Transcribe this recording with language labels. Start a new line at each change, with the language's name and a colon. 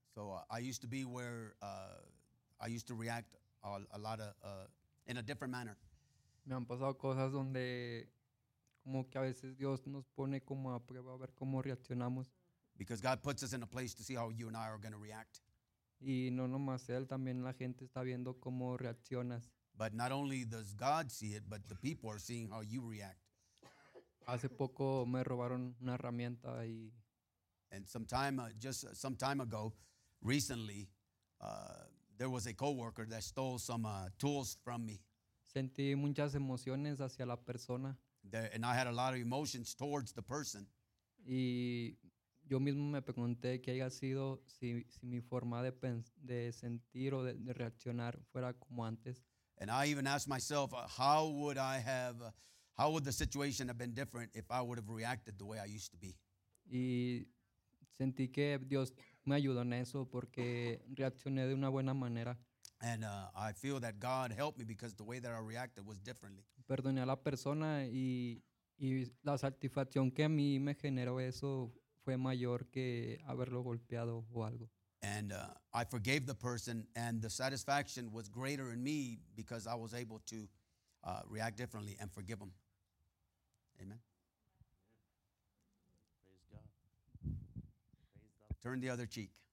English: So I used to be where I used to react a lot of, in a different manner.
Spanish: Me han pasado cosas donde como que a veces Dios nos pone como a prueba a ver cómo reaccionamos.
English: Because God puts us in a place to see how you and I are going to react.
Spanish: Y no nomás él, también la gente está viendo cómo reaccionas.
English: But not only does God see it, but the people are seeing how you react.
Spanish: Hace poco me robaron una herramienta y...
English: And some time ago, recently, there was a coworker that stole some tools from me.
Spanish: Sentí muchas emociones hacia la persona.
English: And I had a lot of emotions towards the person.
Spanish: Y yo mismo me pregunté qué haya sido si mi forma de sentir o de reaccionar fuera como antes.
English: And I even asked myself, how would the situation have been different if I would have reacted the way I used to be?
Spanish: Y sentí que Dios me ayudó en eso porque reaccioné de una buena manera.
English: And I feel that God helped me because the way that I reacted was differently.
Spanish: Perdoné a la persona y la satisfacción que a mí me generó eso fue mayor que haberlo golpeado o algo.
English: And I forgave the person, and the satisfaction was greater in me because I was able to react differently and forgive him. Amen. Praise God. Praise God. Turn the other cheek.